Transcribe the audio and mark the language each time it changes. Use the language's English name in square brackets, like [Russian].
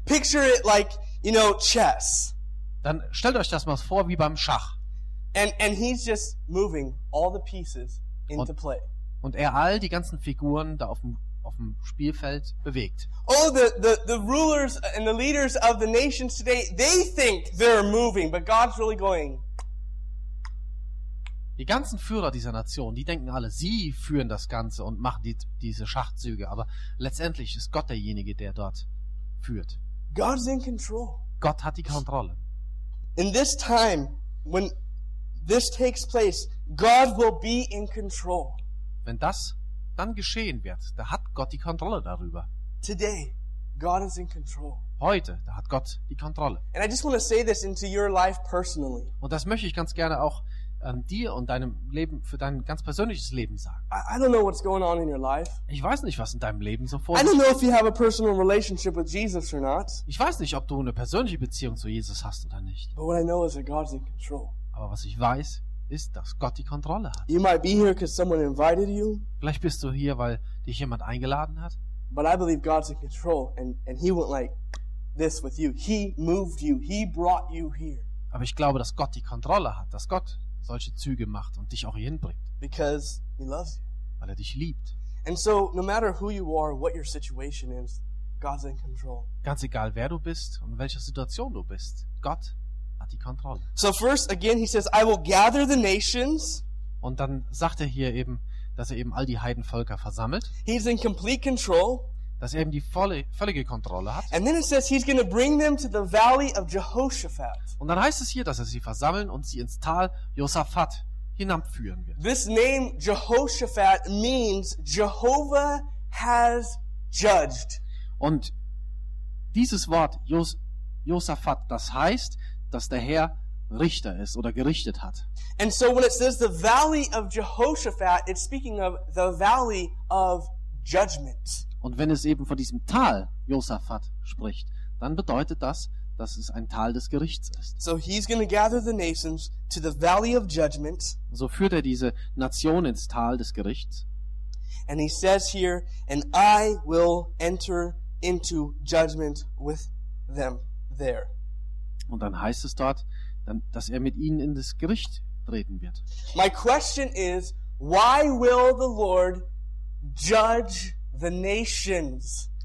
[English] Picture it like, you know, chess. [German] Dann stellt euch das mal vor wie beim Schach. [English] And he's just moving all the pieces into play. [German] Und er all die ganzen Figuren da auf dem Spielfeld bewegt. [English] Oh, the rulers and the leaders of the nations today, they think they're moving, but God's really going. [German] Die ganzen Führer dieser Nation, die denken alle, sie führen das Ganze und machen diese Schachzüge, aber letztendlich ist Gott derjenige, der dort führt. [English] God's in control. [German] Gott hat die Kontrolle. [English] In this time, when this takes place, God will be in control. [German] Wenn das dann geschehen wird, da hat Gott die Kontrolle darüber. [English] Today, God is in control. [German] Heute, da hat Gott die Kontrolle. [English] And I just want to say this into your life personally. [German] Und das möchte ich ganz gerne auch dir und deinem Leben, für dein ganz persönliches Leben sagen. [English] I don't know what's going on in your life. [German] Ich weiß nicht, was in deinem Leben so vor sich geht. [English] I don't know if you have a personal relationship with Jesus or not. [German] Ich weiß nicht, ob du eine persönliche Beziehung zu Jesus hast oder nicht. [English] But what I know is that God is in control. [German] Aber was ich weiß, ist, dass Gott die Kontrolle hat. [English] You might be here 'cause someone invited you. [German] Vielleicht bist du hier, weil dich jemand eingeladen hat. [English] But I believe God's in control and he went like this with you. He moved you. He brought you here. [German] Aber ich glaube, dass Gott die Kontrolle hat, dass Gott solche Züge macht und dich auch hier hinbringt. [English] Because he loves you. [German] Weil er dich liebt. [English] And so no matter who you are, what your situation is, God's in control. [German] Ganz egal, wer du bist und in welcher Situation du bist, Gott die Kontrolle. [English] So first again he says I will gather the nations. [German] Und dann sagt er hier eben, dass er eben all die Heidenvölker versammelt. [English] He's in complete control. [German] Dass er eben die völlige Kontrolle hat. [English] And then it says he's going to bring them to the valley of Jehoshaphat. [German] Und dann heißt es hier, dass er sie versammeln und sie ins Tal Josaphat hinabführen wird. [English] This name Jehoshaphat means Jehovah has judged. [German] Und dieses Wort Josaphat, das heißt, dass der Herr Richter ist oder gerichtet hat. [English] And so when it says the valley of Jehoshaphat, it's speaking of the valley of judgment. [German] Und wenn es eben von diesem Tal Josaphat spricht, dann bedeutet das, dass es ein Tal des Gerichts ist. [English] So he's going to gather the nations to the valley of judgment. [German] So führt er diese Nation ins Tal des Gerichts. [English] And he says here, and I will enter into judgment with them there. [German] Und dann heißt es dort, dann, dass er mit ihnen in das Gericht treten wird. [English] My question is, why will the Lord judge the nations?